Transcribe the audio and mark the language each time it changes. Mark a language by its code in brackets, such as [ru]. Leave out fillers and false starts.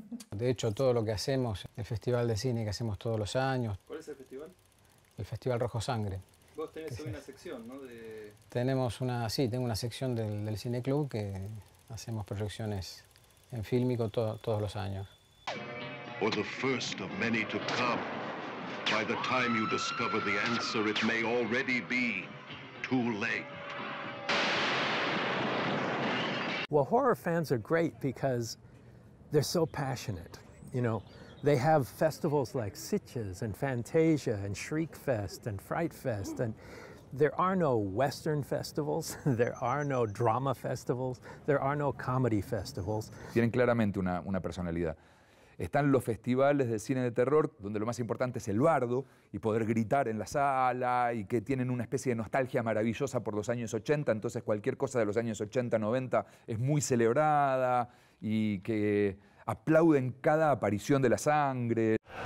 [es] De hecho, todo lo que hacemos, el festival de cine que hacemos todos los años. ¿Cuál es el festival? El Festival Rojo Sangre. Vos tenés hoy una sección, ¿no? Tengo una sección del Cine Club que hacemos proyecciones en fílmico todos los años. [en] Or the first of many to come. By the time you discover the answer, it may already be too late. Well, horror fans are great because they're so passionate. You know, they have festivals like Sitges and Fantasia and Shriekfest and Frightfest, and there are no Western festivals, there are no drama festivals, there are no comedy festivals. [es] Tienen claramente una personalidad. Están los festivales de cine de terror, donde lo más importante es el bardo y poder gritar en la sala y que tienen una especie de nostalgia maravillosa por los años 80, entonces cualquier cosa de los años 80, 90 es muy celebrada y que aplauden cada aparición de la sangre.